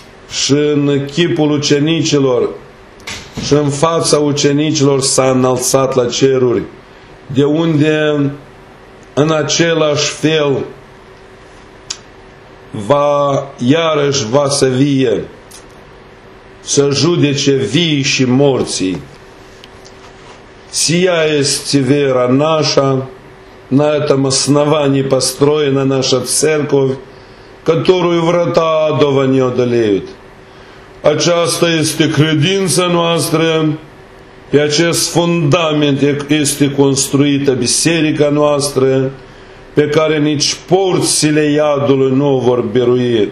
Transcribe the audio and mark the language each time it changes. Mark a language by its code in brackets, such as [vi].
[ro] și în chipul ucenicilor și în fața ucenicilor s-a înălțat la ceruri, de unde în același fel va iarăși va să vie să judece vii și morții. [ru] Сия есть вера наша, на этом основании построена наша церковь, которую врата адова не одолеют. [ro] Aceasta este credința noastră, pe acest fundament este construită biserica noastră, pe care nici porțile iadului nu vor birui.